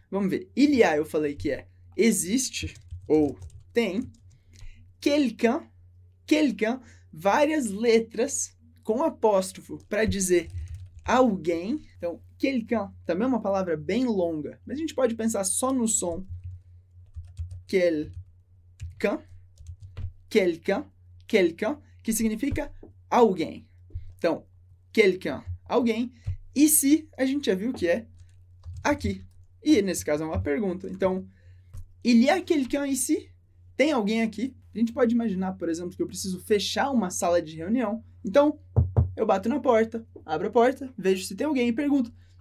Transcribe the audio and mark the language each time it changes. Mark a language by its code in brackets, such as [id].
[pt] Vamos ver. Il y a, eu falei que é existe ou tem. Quelqu'un, quelqu'un, várias letras com apóstrofo para dizer alguém. Então, quelqu'un também é uma palavra bem longa, mas a gente pode pensar só no som. Quelqu'un, quelqu'un, quelqu'un, que significa alguém. Então, quelqu'un, alguém. E se, a gente já viu que é aqui. E nesse caso é uma pergunta. [fr] Então, il y a quelqu'un ici? [pt] Tem alguém aqui? A gente pode imaginar, por exemplo, que eu preciso fechar uma sala de reunião. Então, eu bato na porta, abro a porta, vejo se tem alguém e pergunto.